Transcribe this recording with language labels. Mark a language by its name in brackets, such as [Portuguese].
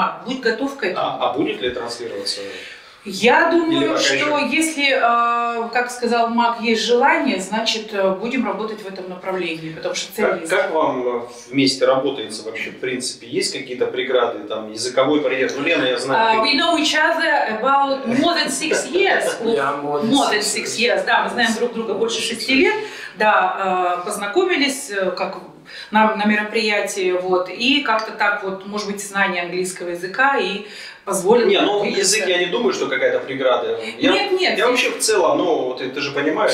[Russian] Мак, будь готов к этому. А будет ли транслироваться? Я думаю, что если, как сказал Мак, есть желание, значит, будем работать в этом направлении, потому что цель есть. Как вам вместе работается вообще, в принципе? Есть какие-то преграды, там, языковой барьер? Ну, Лена, я знаю. [English] We know each other about more than 6 years. More than six years, да. [Russian] Мы знаем друг друга больше 6 лет. Да, познакомились, как на мероприятии, вот, и как-то так вот, может быть, знание английского языка и позволит... Язык, я не думаю, что какая-то преграда. Нет. Я вообще в целом, ты же понимаешь,